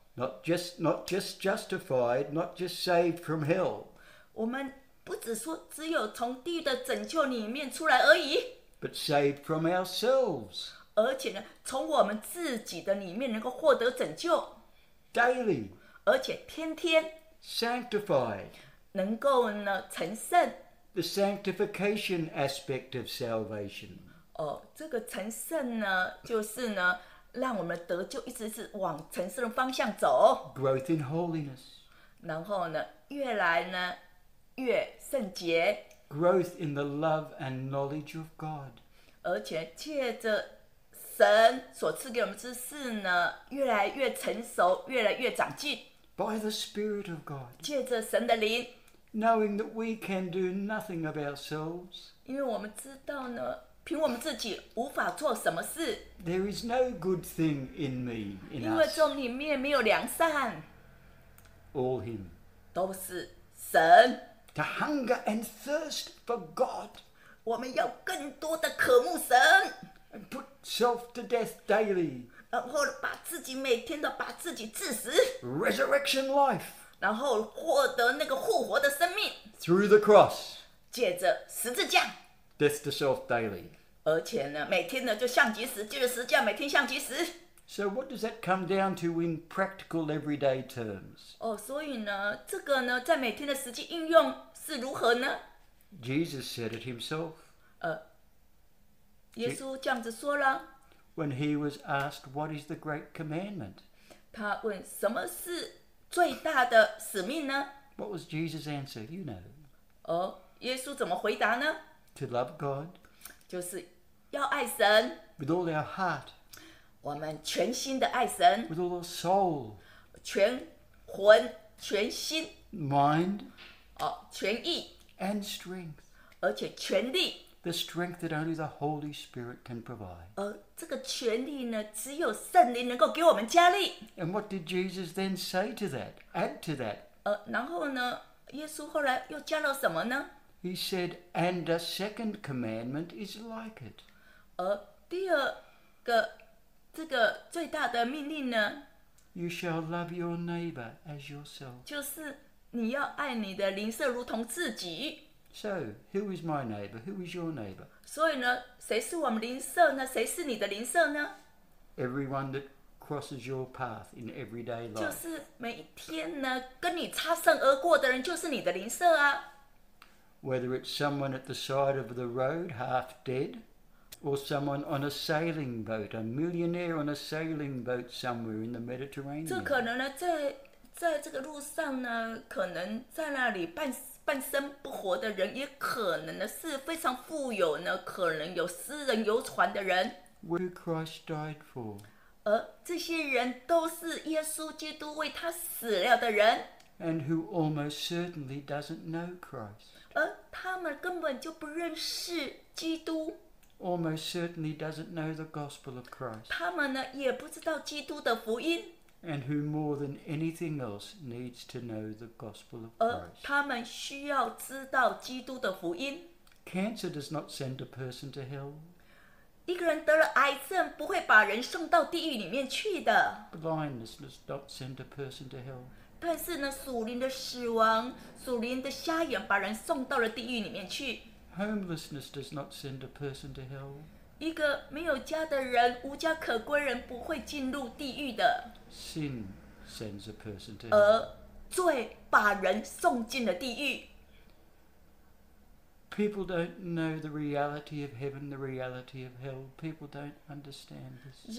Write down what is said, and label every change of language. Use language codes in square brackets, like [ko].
[en] Not just justified, not just saved from hell. [zh] 我们不只说只有从地的拯救里面出来而已。 [en] But saved from ourselves. [zh] 而且呢，从我们自己的里面能够获得拯救。 [en] Daily. [zh] 而且天天。 [en] Sanctified. [zh] 能够呢成圣。 [en] The sanctification aspect of salvation. [zh] 哦，这个成圣呢，就是呢，让我们得救一直是往成圣的方向走。 [en] Growth in holiness. [zh] 然后呢，越来呢，越圣洁。 [en] Growth in the love and knowledge of God. [zh] 而且借着神所赐给我们知识呢，越来越成熟，越来越长进。 [en] By the Spirit of God. [zh] 借着神的灵。 [en] Knowing that we can do nothing of ourselves. [zh] 因为我们知道呢。凭我们自己无法做什么事。 [en] There is no good thing in me, in us. [zh] 因为众里面没有良善。 [en] All him. [zh] 都是神。 [en] To hunger and thirst for God. [zh] 我们要更多的渴慕神。 [en] And put self to death daily. [zh] 然后把自己每天都把自己致死。 [en] Resurrection life. [zh] 然后获得那个复活的生命。 [en] Through the cross. [zh] 借着十字架。 [en] Death to self daily. [zh] 而且呢，每天呢就向即时，就是实际上每天向即时。 [en] So what does that come down to in practical everyday terms? [zh] 哦，所以呢，这个呢，在每天的实际应用是如何呢 [en] ？Jesus said it himself. [zh] 耶稣这样子说了。 [en] When he was asked what is the great commandment, [zh] 他问什么是最大的使命呢 [en] ？What was Jesus' answer? You know. [zh] 哦，耶稣怎么回答呢？ [en] To love God, [zh] 就是要爱神。 [en] With all our heart, [zh] 我们全心的爱神。 [en] With all our soul, [zh] 全魂全心。 [en] Mind, [zh] 全意。 [en] And strength, [zh] 而且全力。 [en] The strength that only the Holy Spirit can provide. [zh] 这个全力呢，只有圣灵能够给我们加力。 [en] And what did Jesus then say to that? Add to that. [zh] 然后呢，耶稣后来又加了什么呢？ [en] He said, and a second commandment is like it. [zh] 第二个这个最大的命令呢 [en] ？You shall love your neighbor as yourself. [zh] 就是你要爱你的邻舍如同自己。 [en] So, who is my neighbor? Who is your neighbor? [zh] 所以呢，谁是我们邻舍呢？谁是你的邻舍呢 [en] Everyone that crosses your path in everyday life. [zh] 就是每天呢，跟你擦身而过的人就是你的邻舍啊。 [en] Whether it's someone at the side of the road, half dead, or someone on a sailing boat, a millionaire on a sailing boat somewhere in the Mediterranean. [zh] 这可能呢，在这个路上呢，可能在那里半生不活的人，也可能呢是非常富有呢，可能有私人游船的人。 [en] Who Christ died for? [zh] 而这些人都是耶稣基督为他死了的人。 [en] And who almost certainly doesn't know Christ? [zh] 而他们根本就不认识基督。 [en] Almost certainly doesn't know the gospel of Christ. [zh] 他们呢也不知道基督的福音。 [en] And who more than anything else needs to know the gospel of Christ? [zh] 而他们需要知道基督的福音。 [en] Cancer does not send a person to hell. [zh] 一个人得了癌症不会把人送到地狱里面去的。 [en] Blindness does not send a person to hell. [zh] 但是呢，属灵的死亡、属灵的瞎眼把人送到了地狱里面去。 [en] Homelessness does not send a person to hell. [zh] 一个没有家的人、无家可归人不会进入地狱的。 [en] Sin sends a person to hell. [zh] 而罪把人送进了地狱。 [en] People don't know the reality of heaven, the reality of hell. People don't understand this.